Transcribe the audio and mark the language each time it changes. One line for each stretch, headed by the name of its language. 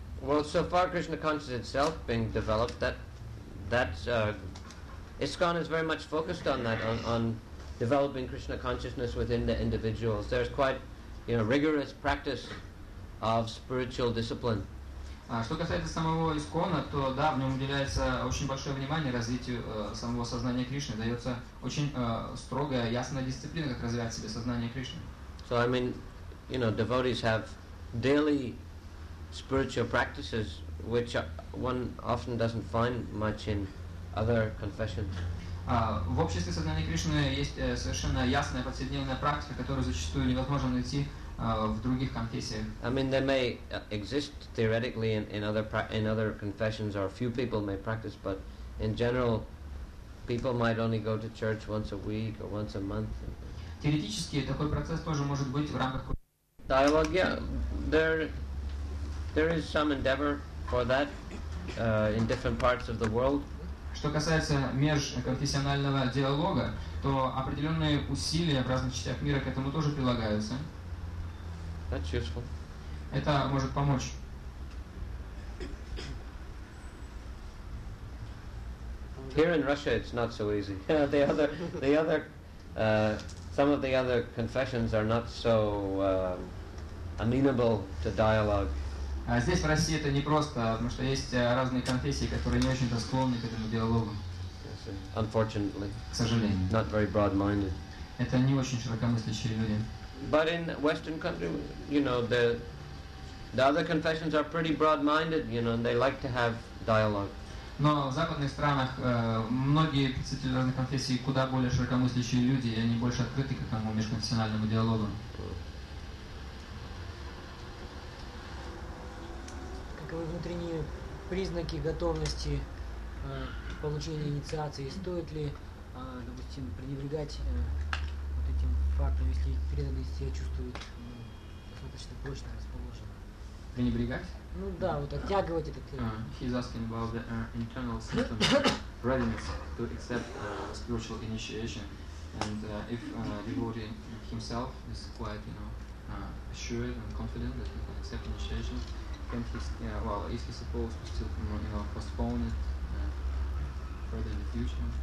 English: Well, so far Krishna consciousness itself being developed, that ISKCON is very much focused on that, on developing Krishna consciousness within the individuals. There's quite, you know, rigorous practice of spiritual discipline.
Russian: Что касается самого ИСККОНа, то да, в нем уделяется очень большое внимание развитию самого сознания Кришны. Дается очень строгая, ясная дисциплина, как развивать себе сознание Кришны.
English: So, I mean, you know, devotees have daily spiritual practices, which one often doesn't find much in other confessions.
Russian: В обществе сознания Кришны есть совершенно ясная повседневная практика, которую зачастую невозможно найти в других конфессиях.
English: I mean, they may exist theoretically in other confessions, or a few people may practice, but in general, people might only go to church once a week or once a month.
Russian: Теоретически такой процесс тоже может быть в рамках.
English: Dialogue, yeah, there is some endeavor for that in different parts of the world.
Russian: Что касается межконфессионального диалога, то определенные усилия в разных частях мира к этому тоже прилагаются.
English: That's useful.
Russian: Это может помочь.
English: Here in Russia it's not so easy. Some of the other confessions are not so amenable to dialogue.
Russian: Здесь, в России, это непросто, потому что есть разные конфессии, которые не очень-то склонны к этому диалогу.
English: Unfortunately.
Russian: К сожалению.
English: Not very broad-minded.
Russian: Это не очень широкомыслящие люди.
English: But in Western country, you know, the other confessions are pretty broad-minded, you know, and they like to have dialogue.
Russian: Но в западных странах многие представители разных конфессий куда более широкомыслящие люди, и они больше открыты к этому межконфессиональному диалогу. Внутренние признаки готовности получения инициации, стоит ли, допустим, пренебрегать вот этим фактом, если преданный себя чувствует достаточно прочно расположен. Пренебрегать? Ну да, вот оттягивать этот.
English: He's asking about the internal system readiness to accept spiritual initiation, and if devotee himself is quite, you know, assured and confident that he can accept initiation. Is he supposed to still, you know, postpone it further in the future?